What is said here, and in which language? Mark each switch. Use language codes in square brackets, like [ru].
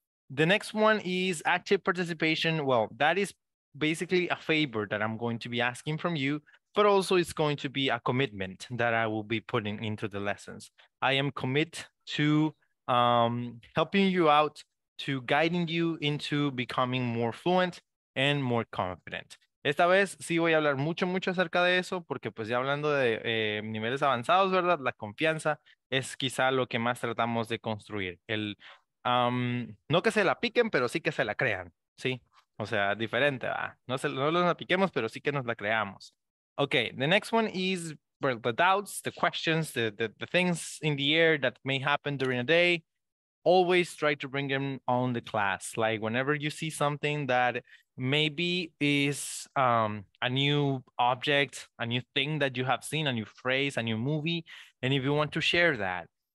[en] The next one is active participation. Well, that is basically a favor that I'm going to be asking from you, but also it's going to be a commitment that I will be putting into the lessons. I am commit to helping you out, to guiding you into becoming more fluent and more confident. [es] Esta vez sí voy a hablar mucho, mucho acerca de eso, porque pues ya hablando de niveles avanzados, ¿verdad? La confianza es quizá lo que más tratamos de construir. El, no que se la piquen, pero sí que se la crean, ¿sí? O sea, diferente, ¿verdad? No, se, no la piquemos, pero sí que nos la creamos. [en] Okay, the next one is the doubts, the questions, the things in the air that may happen during a day. Always try to bring them on the class. Like whenever you see something that maybe is a new object, a new thing that you have seen, a new phrase, a new movie, and if you want to share that.